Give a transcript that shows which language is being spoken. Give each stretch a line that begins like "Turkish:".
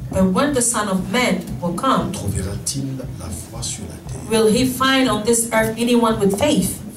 English: but when the Son of Man will come,
French: trouvera-t-il la foi sur la terre?
English: Will he find on this earth anyone with faith?